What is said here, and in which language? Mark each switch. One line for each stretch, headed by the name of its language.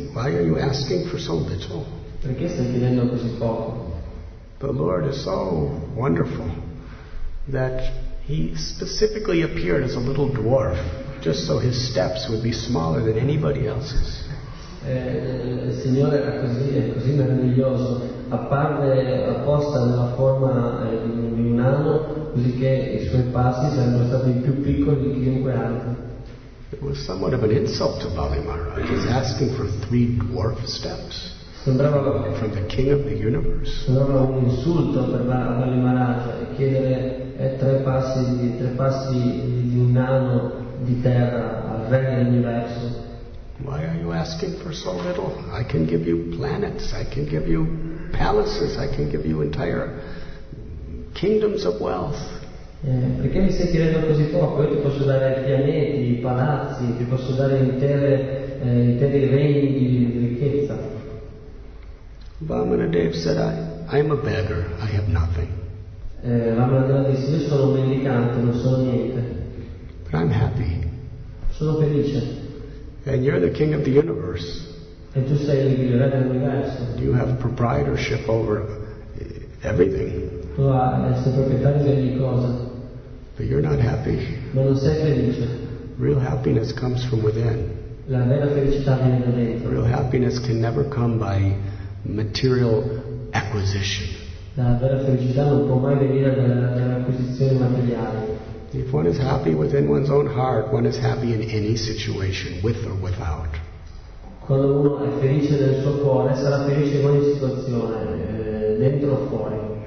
English: are you asking for so little?
Italian: Perché stai chiedendo così poco?
English: The Lord is so wonderful that he specifically appeared as a little dwarf just so his steps would be smaller than anybody else's.
Italian: Il Signore era così meraviglioso. Apparve apposta nella forma di un nano, così che i suoi passi sarebbero stati più piccoli di chiunque altro.
English: It was somewhat of an insult to Bali Maharaj. He's asking for 3 dwarf steps.
Italian: Sembrava
English: from the king of the universe.
Italian: Sembrava un insulto per Bali Maharaj chiedere tre passi di un nano di terra al re dell'universo.
English: Why are you asking for so little? I can give you planets, I can give you palaces, I can give you entire kingdoms of wealth.
Italian: Perché mi stai chiedendo così poco? Io ti posso dare pianeti, palazzi, ti posso dare interi regni di ricchezza.
English: Vamana Dev said, I am a beggar, I have nothing.
Italian: Vamana Dev disse, io sono un mendicante, non sono niente.
English: But I'm happy.
Italian: Sono felice.
English: And you're the king of the universe.
Italian: E tu sei il re dell'universo.
English: You have proprietorship over everything.
Italian: Tu sei proprietario di ogni cosa.
English: But you're not happy.
Italian: Ma non sei felice.
English: Real happiness comes from within.
Italian: La vera felicità viene da dentro.
English: Real happiness can never come by material acquisition.
Italian: La vera felicità non può mai venire dall'acquisizione materiale.
English: If one is happy within one's own heart, one is happy in any situation, with or without.
Italian: Quando uno è felice nel suo cuore, sarà felice in ogni situazione, dentro o fuori.